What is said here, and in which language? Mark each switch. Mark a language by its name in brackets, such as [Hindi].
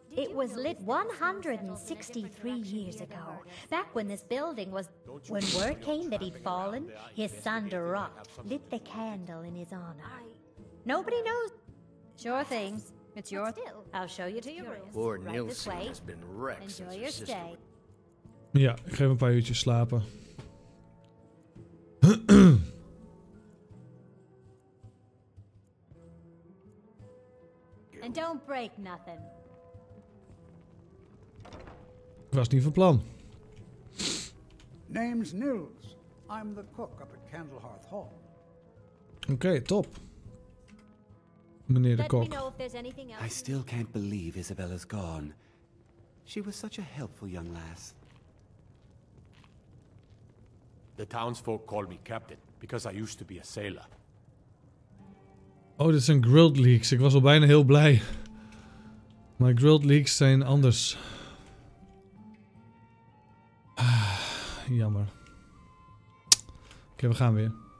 [English] It was lit 163 years ago, back when this building was... When word came that he'd fallen, his son, Durok, lit the candle in his honor. Nobody knows. Sure thing. It's your... Still, I'll show you to your room. Lord Nilsson has been wrecked since his sister... [Dutch] Ja, ik geef een paar uurtjes slapen. [English] And don't break nothing. [Dutch] Ik was niet van plan. [English] Name's Nils. I'm the cook up at Candlehearth Hall. [Dutch] Okay, top. Meneer de kok. [English] I still can't believe Isabella's gone. She was such a helpful young lass. The townsfolk call me captain because I used to be a sailor. [Dutch] Oh, dit zijn grilled leeks. Ik was al bijna heel blij. Maar grilled leeks zijn anders. Jammer. Oké, we gaan weer.